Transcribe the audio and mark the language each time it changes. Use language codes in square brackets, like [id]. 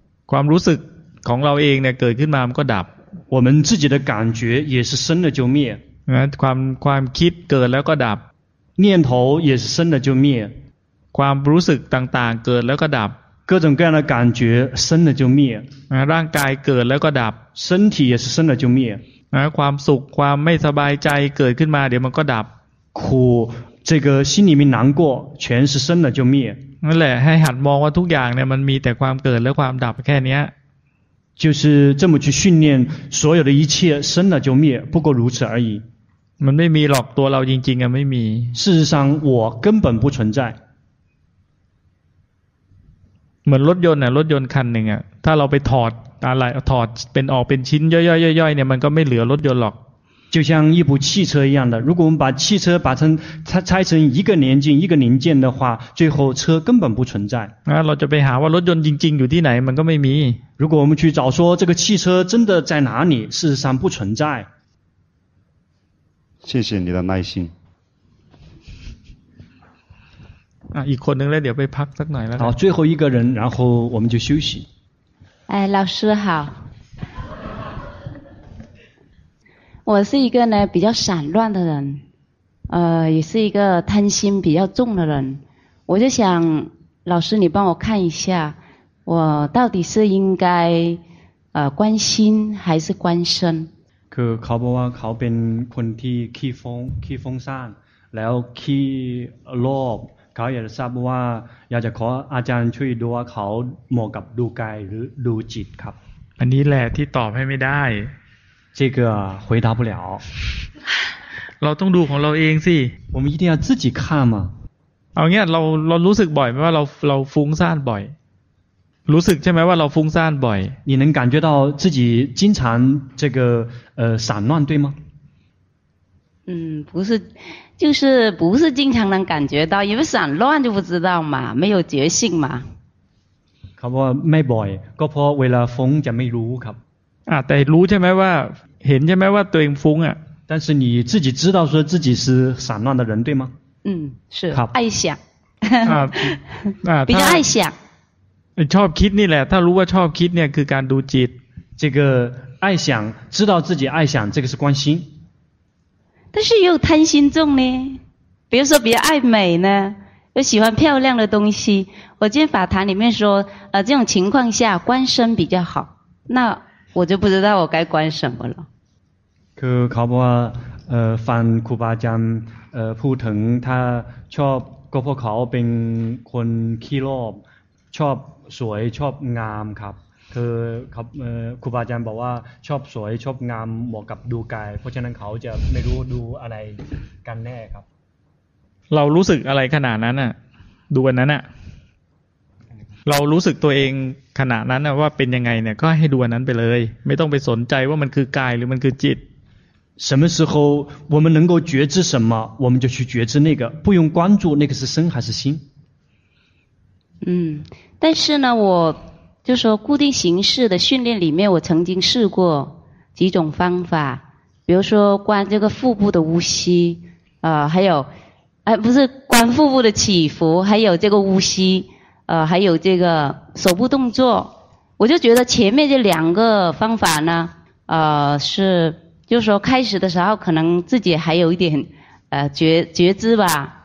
[th] ความรู้สึกของเราเองเนี่ยเกิดขึ้นมามันก็ดับ [zh] 我们自己的感觉也是生了就灭 [th] ความคิดเกิดแล้วก็ดับ [zh] 念头也是生了就灭 [th] ความรู้สึกต่างๆเกิดแล้วก็ดับ [zh] 各种各样的感觉生了就灭 [th] ร่างกายเกิดแล้วก็ดับ [zh] 身体也是生了就灭 [th] ความสุขความไม่สบายใจเกิดขึ้นมาเดี๋ยวมันก็ดับ [zh] 苦这个心里面难过全是生了就灭 [th] นั่นแหละให้หัดมองว่าทุกอย่างเนี่ยมันมีแต่ความเกิดและความดับแค่นี้ [zh] 就是这么去训练所有的一切生了就灭不过如此而已 [th] มันไม่มีหรอกตัวเราจริงๆอ่ะไม่มี [zh] 事实上我根本不存在 [th] เหมือนรถยนต์อ่ะรถยนต์คันหนึ่งอ่ะถ้าเราไปถอดอะไรถอดเป็นออกเป็นชิ้นย่อยๆๆเนี่ยมันก็ไม่เหลือรถยนต์หรอก [zh] 就像一部汽车一样的如果我们把汽车把它拆成一个零件一个零件的话最后车根本不存在 [th] เราจะไปหาว่ารถยนต์จริงๆอยู่ที่ไหนมันก็ไม่มี [zh] 如果我们去找说这个汽车真的在哪里事实上不存在谢谢你的耐心 [th] อีกคนนึงแล้วเดี๋ยวไปพักสักหน่อยแล้ ว [zh] 好最后一个人然后我们就休息哎，老师好，我是一个呢比较散乱的人，也是一个贪心比较重的人。我就想，老师你帮我看一下，我到底是应该关心还是关身？ [th] คือเขาบอกว่าเขาเป็นคนที่ขี้ฟุ้งซ่านแล้วขี้โลภเขาอยากจะทราบว่าอยากจะขออาจารย์ช่วยดูว่าเขาเหมาะกับดูกายหรือดูจิตครับ อันนี้แหละที่ตอบให้ไม่ได้ [zh] 这个回答不了 [th] เราต้องดูของเราเองสิ [zh] 我们一定要自己看嘛 [th] เอาเงี้ยเรารู้สึกบ่อยไหมว่าเราฟุ้งซ่านบ่อยรู้สึกใช่ไหมว่าเราฟุ้งซ่านบ่อย [zh] 你能感觉到自己经常这个散乱对吗嗯不是就是不是经常能感觉到因为散乱就不知道嘛没有觉性嘛 [th] ครับว่าไม่บ่อยก็เพราะเวลาฟุ้งจะไม่รู้ครับ แต่รู้ใช่ไหมว่าเห็นใช่ไหมว่าตัวเองฟุ้งอ่ะ [zh] 但是你自己知道说自己是散乱的人对吗嗯是 [th] ครับ [zh] 爱想比较爱想 [th] ชอบคิดนี่แหละถ้ารู้ว่าชอบคิดเนี่ยคือการดูจิต [zh] 这个爱想知道自己爱想这个是关心但是又贪心重呢比如说比较爱美呢又喜欢漂亮的东西我今天法坛里面说这种情况下观身比较好那我就不知道我该观什么了 [th] คือเขาบอกว่าฟังครูบาอาจารย์พูดถึง [zh] 他 [th] ชอบก็เพราะเขาเป็นคนขี้โลภชอบสวยชอบงามครับคือครับครูบาอาจารย์บอกว่าชอบสวยชอบงามเหมาะกับดูกายเพราะฉะนั้นเขาจะไม่รู้ดูอะไรกันแน่ครับ เรารู้สึกอะไรขนาดนั้นอ่ะดูอันนั้นอ่ะเรารู้สึกตัวเองขณะนั้นว่าเป็นยังไงเนี่ยก็ให้ดูอันนั้นไปเลยไม่ต้องไปสนใจว่ามันคือกายหรือมันคือจิต [zh] 什么时候我们能够觉知什么我们就去觉知那个不用关注那个是身还是心嗯，但是呢，我就说固定形式的训练里面，我曾经试过几种方法，比如说观这个腹部的呼吸，还有，不是观腹部的起伏，还有这个呼吸，还有这个手部动作，我就觉得前面这两个方法呢，是就是说开始的时候可能自己还有一点觉知吧。